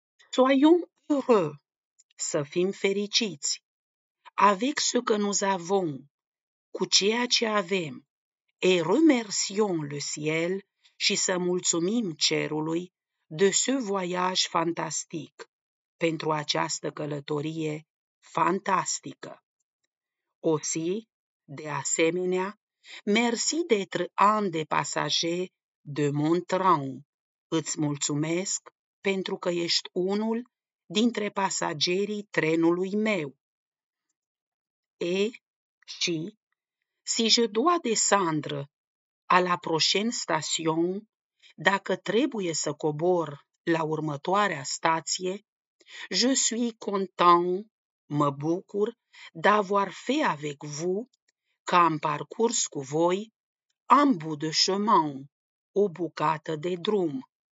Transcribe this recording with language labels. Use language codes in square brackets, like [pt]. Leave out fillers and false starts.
[fr] Soyons heureux, [ro] să fim fericiți, [fr] avec ce que nous avons, [ro] cu ceea ce avem, [fr] et remercions le ciel [ro] și să mulțumim cerului [fr] de ce voyage fantastic. [ro] pentru această călătorie fantastică. [fr] Aussi, [ro] de asemenea, [fr] merci d'être un des passagers de mon train. [ro] Îți mulțumesc pentru că ești unul dintre pasagerii trenului meu. [fr] Et si, si je dois descendre à la prochaine station, [ro] dacă trebuie să cobor la următoarea stație, [fr] je suis content, [ro] mă bucur, [fr] d'avoir fait avec vous, [ro] că am parcurs cu voi, [fr] un bout de chemin, [ro] o bucată de drum.